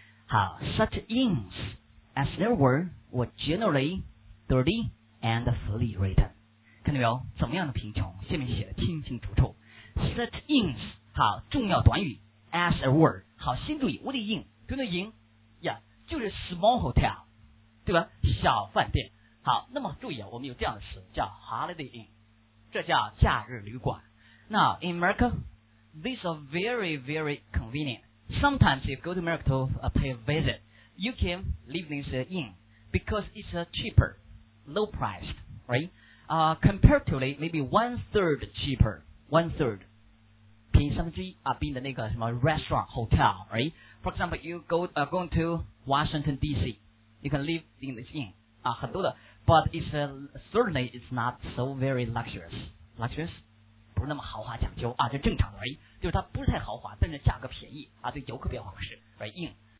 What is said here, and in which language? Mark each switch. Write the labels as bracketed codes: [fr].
[en] 好 ,such inns as there were generally dirty and fully written. [zh] 看到没有，怎么样的贫穷，下面写的清清楚楚。 [en] Such inns, [zh] 好，重要短语 [en] ,as there were, [zh] 好，先注意 [en] ,what inn, [zh] 对不对 [en] inn, yeah, [zh] 就是 [en] small hotel, [zh] 对吧，小饭店。好，那么注意啊，我们有这样的词叫 holiday inn, 这叫假日旅馆。 [en] Now, in America, these are very, very convenient. Sometimes you go to America to pay a visit, you can live in this inn because it's cheaper, low priced, right? Comparatively, maybe one-third cheaper, one-third, [zh] 便宜三分之一啊，比你的那个什么 [en] restaurant, hotel, right? For example, you go, going to Washington, D.C., you can live in this inn, [zh] 啊，很多的。 [en] But it's certainly it's not so very luxurious. Luxurious? [zh] 不是那么豪华讲究啊，就正常的而已。就是它不是太豪华，但是价格便宜啊，对游客比较合适。 [en] Right, inn.